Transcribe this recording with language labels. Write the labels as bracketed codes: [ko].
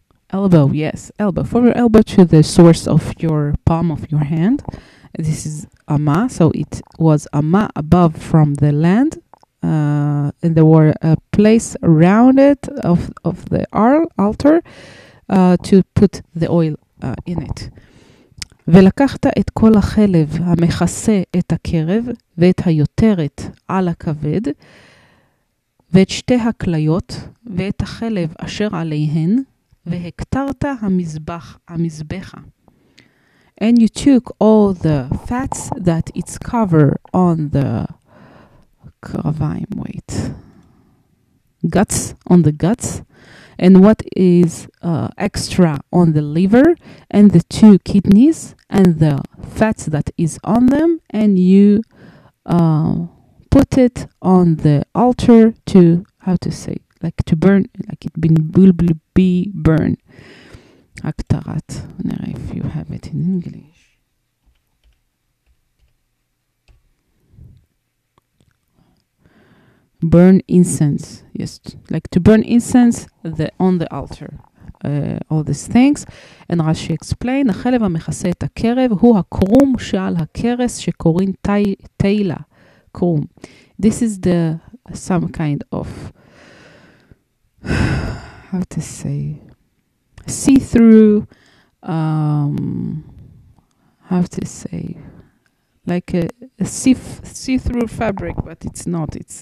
[en] Elbow, yes, elbow. From your elbow to the source of your palm of your hand. This is amma. So it was amma above from the land. And there were a place around it of the altar to put the oil in it. [he] ולקחת את כל החלב המכסה את הקרב ואת היותרת על הכבד ואת שתי הקליות ואת החלב אשר עליהן והקטרת המזבחה. [en] And you took all the fats that it's cover on the kravaim, wait, guts, on the guts, and what is extra on the liver and the two kidneys and the fats that is on them, and you put it on the altar to, how to say, like to burn, like it will be burned. Haktarat. Now, if you have it in English. Burn incense. Yes. Like to burn incense on the altar. All these things. And Rashi explained, [he] החלב המכסה את הקרב הוא הקרום שעל הקרס שקורין תהילה. קרום. [en] This is the some kind of, how to say, see-through, like a see-through fabric, but it's not.